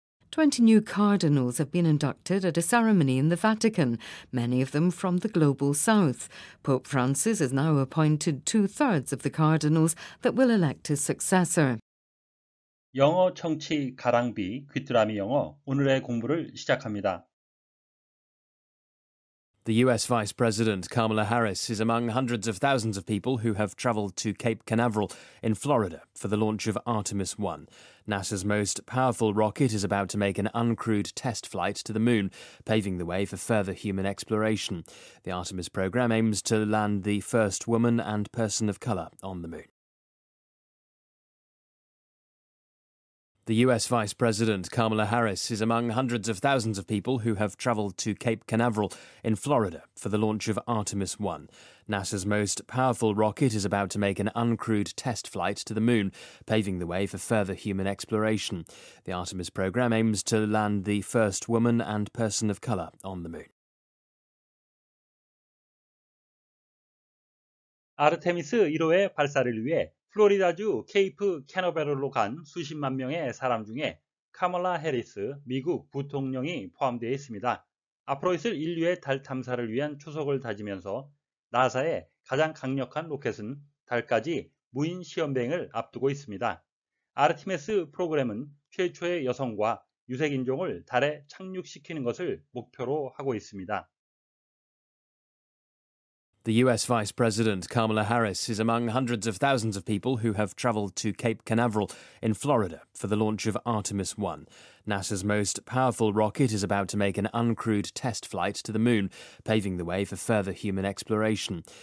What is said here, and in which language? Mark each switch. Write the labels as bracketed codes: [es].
[en] 20 new cardinals have been inducted at a ceremony in the Vatican, many of them from the Global South. Pope Francis has now appointed two-thirds of the cardinals that will elect his successor. [ko] 영어 청취 가랑비 귀뚜라미 영어 오늘의 공부를 시작합니다. [en] The U.S. Vice President Kamala Harris is among hundreds of thousands of people who have traveled to Cape Canaveral in Florida for the launch of Artemis 1. NASA's most powerful rocket is about to make an uncrewed test flight to the moon, paving the way for further human exploration. The Artemis program aims to land the first woman and person of color on the moon. The U.S. Vice President Kamala Harris is among hundreds of thousands of people who have traveled to Cape Canaveral in Florida for the launch of Artemis 1. NASA's most powerful rocket is about to make an uncrewed test flight to the moon, paving the way for further human exploration. The Artemis program aims to land the first woman and person of color on the moon. [ko] Artemis 1호의 발사를 위해 플로리다주 케이프 캐너베럴로 간 수십만 명의 사람 중에 카멀라 해리스 미국 부통령이 포함되어 있습니다. 앞으로 있을 인류의 달 탐사를 위한 초석을 다지면서 나사의 가장 강력한 로켓은 달까지 무인 시험비행을 앞두고 있습니다. 아르테미스 프로그램은 최초의 여성과 유색인종을 달에 착륙시키는 것을 목표로 하고 있습니다. [en] The U.S. Vice President Kamala Harris is among hundreds of thousands of people who have traveled to Cape Canaveral in Florida for the launch of Artemis 1. NASA's most powerful rocket is about to make an uncrewed test flight to the moon, paving the way for further human exploration.